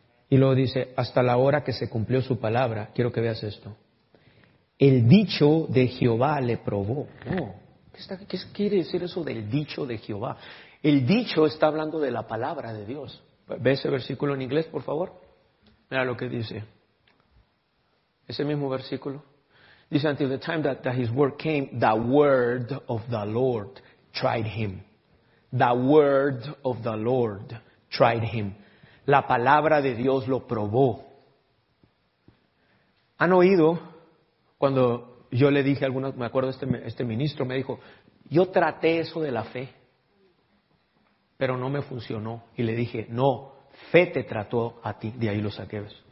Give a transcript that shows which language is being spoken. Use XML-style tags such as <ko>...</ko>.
<es>Y luego dice, hasta la hora que se cumplió su palabra, quiero que veas esto. El dicho de Jehová le probó. Oh, ¿qué quiere decir eso del dicho de Jehová? El dicho está hablando de la palabra de Dios. ¿Ve ese versículo en inglés, por favor? Mira lo que dice. Ese mismo versículo. Dice,</es> <en>until the time that his word came, the word of the Lord tried him. The word of the Lord tried him.</en> <es>La palabra de Dios lo probó. ¿Han oído? Cuando yo le dije a algunos, me acuerdo este ministro, me dijo, yo traté eso de la fe, pero no me funcionó. Y le dije, no, fe te trató a ti, de ahí lo saqué.</es>